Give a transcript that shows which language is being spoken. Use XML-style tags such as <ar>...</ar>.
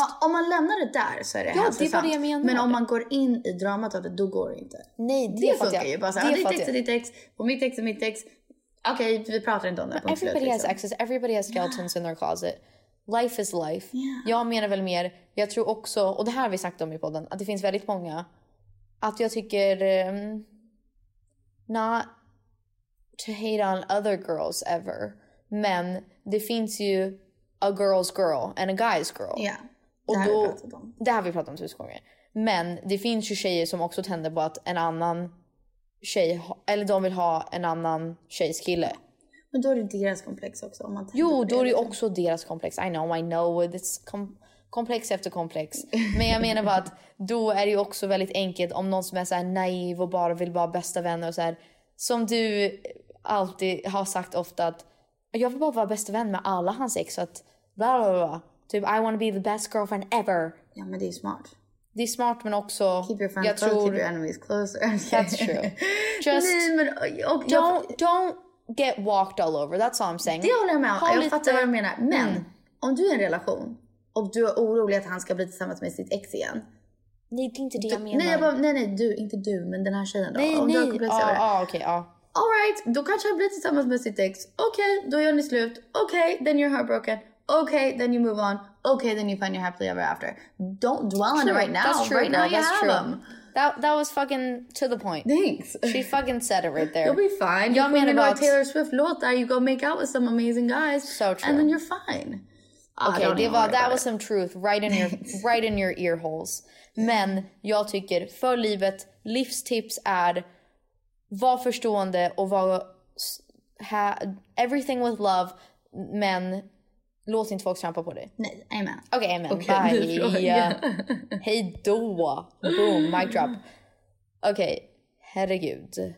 <sv>Ja, om man lämnar det där så är det ja, det är bara det jag menar. Men om man går in i dramat av det, då går det inte. Nej, det funkar ju bara så här, ditt ex är ditt ex, och mitt ex är mitt ex. Okej, okay, vi pratar inte om det.</sv> <en>Everybody slut, liksom. Has exes, everybody has skeletons yeah. in their closet. Life is life. Yeah.</en> <sv>Jag menar väl mer, jag tror också, och det här har vi sagt om i podden, att det finns väldigt många, att jag tycker,</sv> <en>not to hate on other girls ever,</en> <sv>men det finns ju</sv> <en>a girl's girl and a guy's girl.</en> <sv>Ja,</sv> <en>yeah.</en> <sv>Det, det har vi pratat om tusen gånger. Men det finns ju tjejer som också tänder på att en annan tjej, eller de vill ha en annan tjejs kille. Men då är det inte deras komplex också. Om man jo, då är det också deras komplex.</sv> <en>I know, it's</en> <sv>komplex efter komplex. Men jag menar bara att då är det ju också väldigt enkelt om någon som är så här naiv och bara vill vara bästa vänner och så här, som du alltid har sagt ofta att jag vill bara vara bästa vän med alla hans ex. Så att bla bla bla.</sv> <en>Typ, I want to be the best girlfriend ever.</en> <sv>Ja, men det är smart. Det är smart, men också...</sv> <en>Keep your friends close, keep your enemies close. That's true. Just</en> <sv>nej, men, och,</sv> <en>don't get walked all over. That's all I'm saying.</en> <sv>Det håller jag med om. Jag fattar vad du menar. Men, om du är i en relation och du är orolig att han ska bli tillsammans med sitt ex igen... Nej, det är inte det jag menar. Nej, jag bara, nej, du. Inte du, men den här tjejen då. Nej, om nej. Okej. All right, då kanske han blir tillsammans med sitt ex.</sv> <en>Okej,</en> <sv>då gör ni slut.</sv> <en>Okej, then you're heartbroken. Okej, then you move on. Okej, then you find your happily ever after. Don't dwell true. On it right now. That's true, right bro. Now you that's have true. Them. That was fucking to the point. Thanks. She fucking said it right there. You'll be fine. You put about Taylor Swift</en> <sv>låt där,</sv> <en>you go make out with some amazing guys. So true. And then you're fine. Okay, that was some truth right in your ear holes.</en> <sv>Men jag tycker för livet, livstips är... Var förstående och var</sv> <en>everything with love,</en> <sv>men låt inte folk trampa på dig. Nej, amen. Okej, okay, amen. Okay, bye. Hej då. Boom, mic drop. Okej, okay. Herregud.</sv>